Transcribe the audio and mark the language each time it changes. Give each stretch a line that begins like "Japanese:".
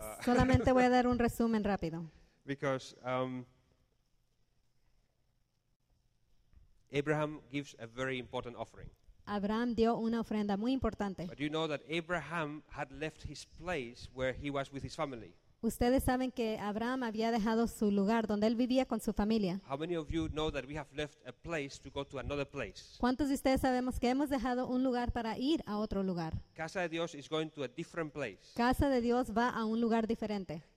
Spanish: Solamente voy a dar un resumen rápido.
English: Because Abraham gives a very important offering.
Spanish: Abraham dio una ofrenda muy importante.
English: But you know that Abraham had left his place where he was with his family.
Spanish: Ustedes saben que Abraham había dejado su lugar donde él vivía con su familia.
English: How many of you know that we have left a place to go to another place?
Spanish: ¿Cuántos de ustedes sabemos que hemos dejado un lugar para ir a otro lugar?
English: Casa de Dios is going to a different place.
Spanish: Casa de Dios va a un lugar diferente.